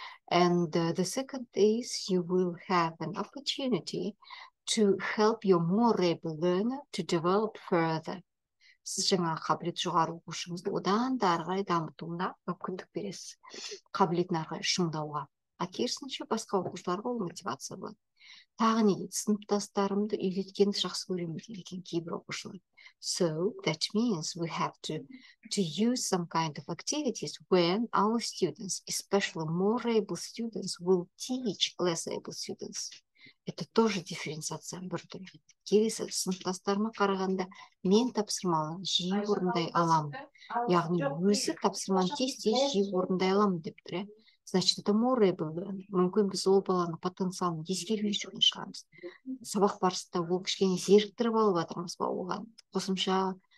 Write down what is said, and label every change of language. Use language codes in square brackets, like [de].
[en] And the second is you will have an opportunity to help your more able learner to develop further. [kk] Сіз жаңа қабілет жоғары оқушыңызды одан да ары қарай дамытуына мүмкіндік бересіз, қабілетін ары қарай шыңдауға. А керісінше басқа оқушыларға ол мотивация болады. Тағы не дейді? Сыныптастарымды үйреткенді жақсы көремін деген кейбір оқушылар. [en] So that means we have to use some kind of activities when our students, especially more able students, will teach less able students. [ru] Это тоже дифференциация [kk] бір түрі. Келесі, сыныптастарыма қарағанда мен тапсырмалы жиі орындай аламын, яғни өзі тапсырманы тез-тез жиі орындай аламын деп тұр. [ru] Значит, это [en] more able. [kk] Мүмкін біз ол баланың потенциалын ескермей жүрген шығармыз. Сабақ барысында ол кішкене зеріктіріп алып жатырмыз ба оған? Қосымша